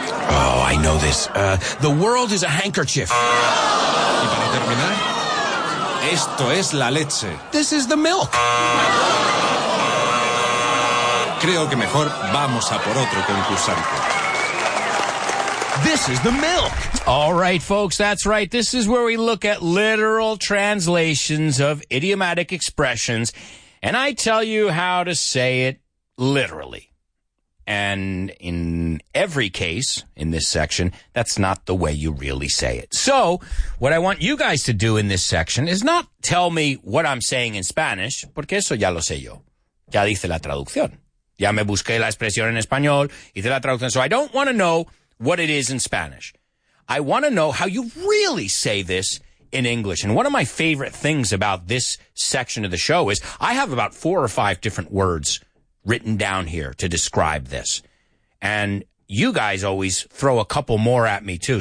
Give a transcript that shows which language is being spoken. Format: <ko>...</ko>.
<en>Oh, I know this. The world is a handkerchief.</en> <es>Y para terminar, esto es la leche.</es> <en>This is the milk.</en> <es>Creo que mejor vamos a por otro concursante.</es> <en>This is the milk. All right, folks, that's right. This is where we look at literal translations of idiomatic expressions, and I tell you how to say it literally. And in every case in this section, that's not the way you really say it. So what I want you guys to do in this section is not tell me what I'm saying in Spanish,</en> <es>porque eso ya lo sé yo. Ya hice la traducción. Ya me busqué la expresión en español, hice la traducción.</es> <en>So I don't want to know what it is in Spanish. I want to know how you really say this in English. And one of my favorite things about this section of the show is I have about four or five different words written down here to describe this. And you guys always throw a couple more at me too.</en>